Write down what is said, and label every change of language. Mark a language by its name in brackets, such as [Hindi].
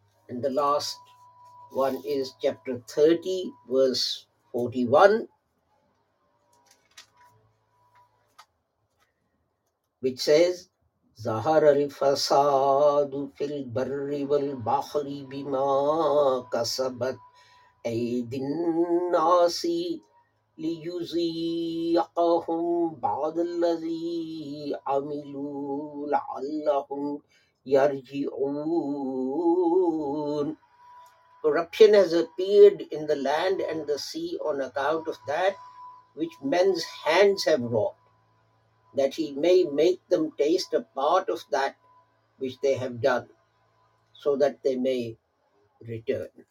[English] And the last one is chapter 30, verse 41, which says, [Arabic] ظهر الفساد في البر والبحر بما كسبت أيدي الناس ليزيقهم بعض الذي عملوا لعلهم يرجعون. [English] Corruption has appeared in the land and the sea on account of that which men's hands have wrought, that he may make them taste a part of that which they have done, so that they may return.